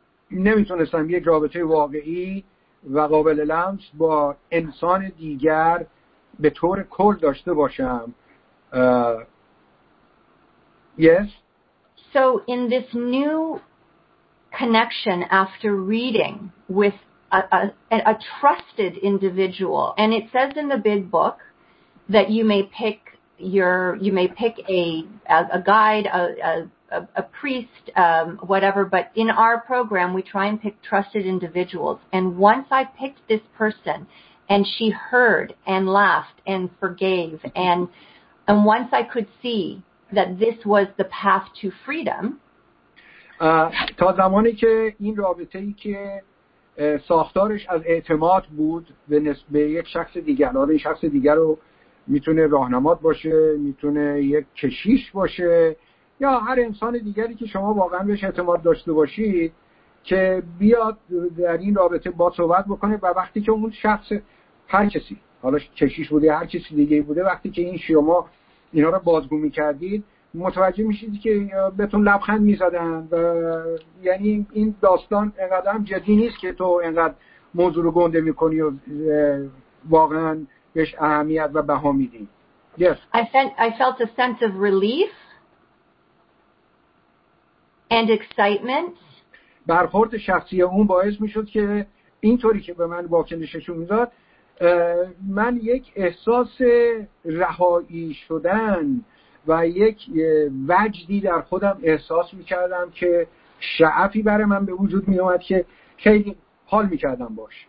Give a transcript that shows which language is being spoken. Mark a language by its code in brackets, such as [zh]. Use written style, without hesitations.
[fa] نمیتونستم یک رابطه واقعی و قابل لمس با انسان دیگر به طور کل داشته باشم. [en] Yes. So in this new connection after reading with a trusted individual, and it says in the big book that you may pick a guide, a priest, whatever, but in our program we try and pick trusted individuals. And once I picked this person and she heard and laughed and forgave, and once I could see that this was the path to freedom. [fa] تا زمانی که این رابطه ای که ساختارش از اعتماد بود به نسبه یک شخص دیگر، آره این شخص دیگر رو میتونه راهنمات باشه، میتونه یک کشیش باشه یا هر انسان دیگری که شما واقعا بهش اعتماد داشته باشید، که بیاد در این رابطه با صحبت بکنه و وقتی که اون شخص، هر کسی، حالا کشیش بوده هر کسی دیگه بوده، وقتی که این شما اینا رو بازگو میکردید متوجه میشید که بهتون لبخند میزدن و یعنی این داستان اینقدر هم جدی نیست که تو اینقدر موضوع رو گنده میکنی و واقعا بهش اهمیت و بها میدی. [en] Yes. I felt a sense of relief and excitement. [fa] برخورد شخصی اون باعث میشد که اینطوری که به من واکنششون میداد من یک احساس رهایی شدن و یک وجدی در خودم احساس میکردم که شعفی برای من به وجود میامد که خیلی حال میکردم باش.